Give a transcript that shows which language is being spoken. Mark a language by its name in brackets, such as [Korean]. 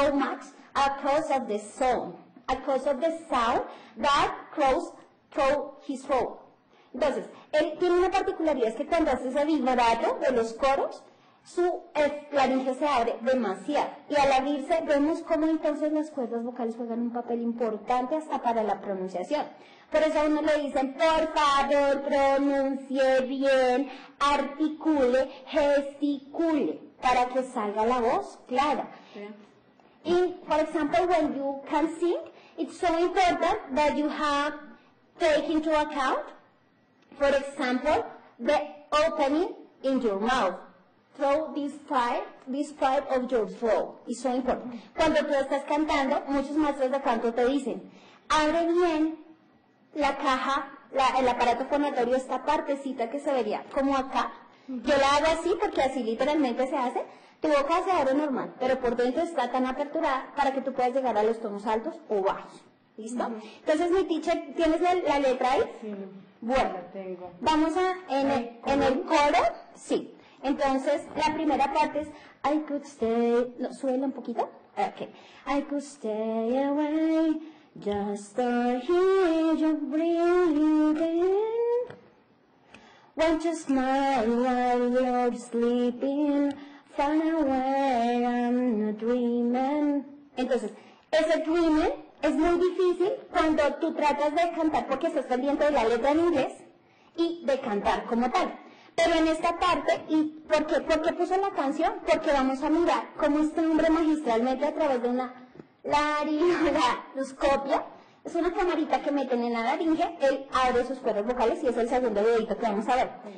[English] so much because of the sound that goes through his throat. [Spanish] Entonces, él tiene una particularidad, es que cuando hace ese vibrato de los coros, su laringe se abre demasiado. Y al abrirse, vemos cómo entonces las cuerdas vocales juegan un papel importante hasta para la pronunciación. Por eso a uno le dicen, por favor, pronuncie bien, articule, gesticule, para que salga la voz clara. Sí. [English] Y, for example, when you can sing, it's so important that you have taken into account, for example, the opening in your mouth. Throw this part of your throat. It's so important. [Spanish] Cuando tú estás cantando, muchos maestros de canto te dicen, abre bien la caja, el aparato fonatorio, esta partecita que se vería como acá. Yo la hago así porque así literalmente se hace. Tu boca se abre normal, pero por dentro está tan aperturada para que tú puedas llegar a los tonos altos o bajos. ¿Listo? Uh-huh. Entonces, mi teacher, ¿tienes la letra ahí? Sí. Bueno, la tengo. Vamos a, en el coro, sí. Entonces, la primera parte es, [English] I could stay, [Spanish] no, suela un poquito, [English] okay. I could stay away, just to hear you breathing. Won't you smile while you're sleeping, far away, I'm not dreaming. [Spanish] Entonces, ese dreaming es muy difícil cuando tú tratas de cantar, porque estás pendiente de la letra en inglés, y de cantar como tal. Pero en esta parte, ¿y por qué puso la canción? Porque vamos a mirar cómo este hombre magistralmente a través de una laringoscopia, es una camarita que meten en la laringe, él abre sus cuerdas vocales y es el segundo dedito que vamos a ver.